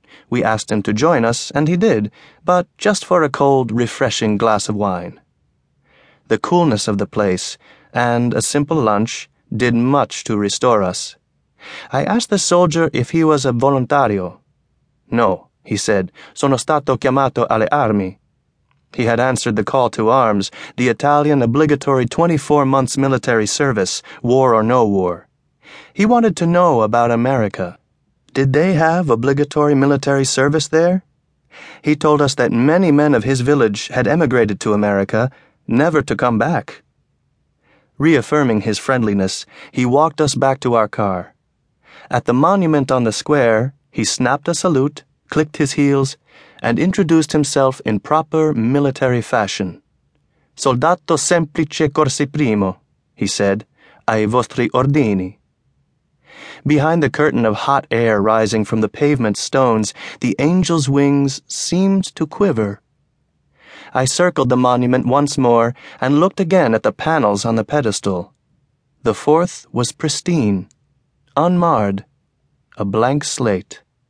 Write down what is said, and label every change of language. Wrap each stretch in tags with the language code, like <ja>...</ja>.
<en>We asked him to join us, and he did, but just for a cold, refreshing glass of wine. The coolness of the place, and a simple lunch, did much to restore us. I asked the soldier if he was a voluntario. No, he said,</en> <it>sono stato chiamato alle armi.</it> <en>He had answered the call to arms, the Italian obligatory 24 months military service, war or no war. He wanted to know about America. Did they have obligatory military service there? He told us that many men of his village had emigrated to America, never to come back. Reaffirming his friendliness, he walked us back to our car. At the monument on the square, he snapped a salute, clicked his heels, and introduced himself in proper military fashion.</en> <it>Soldato semplice corsi primo,</it> <en>he said,</en> <it>ai vostri ordini.</it> <en>Behind the curtain of hot air rising from the pavement stones, the angel's wings seemed to quiver. I circled the monument once more and looked again at the panels on the pedestal. The fourth was pristine, unmarred, a blank slate.</en>